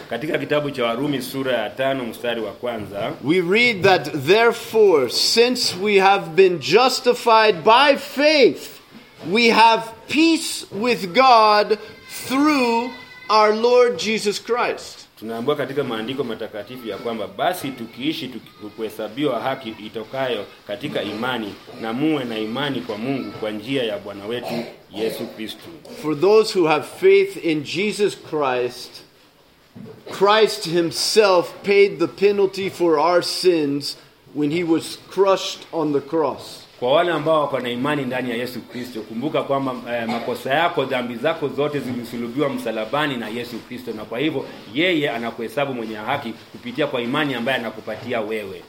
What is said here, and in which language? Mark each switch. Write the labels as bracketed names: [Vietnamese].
[Swahili] katika kitabu cha Warumi sura ya 5 mstari wa kwanza, [English] we read that therefore since we have been justified by faith, we have peace with God through our Lord Jesus Christ. [Swahili] Tunaambiwa katika maandiko matakatifu ya kwamba basi tukiishi tukihesabiwa haki itokayo katika imani, na muwe na imani kwa Mungu kwa njia ya Bwana wetu Yesu Kristo. [English] For those who have faith in Jesus Christ, Christ himself paid the penalty for our sins when he was crushed on the cross. [Swahili] Kwa wale ambao wako na imani ndani ya Yesu Kristo, kumbuka kwamba makosa yako, dhambi zako zote zilisulubiwa msalabani na Yesu Kristo, na kwa hivyo yeye anakuhesabu mwenye haki kupitia kwa imani ambayo anakupatia wewe.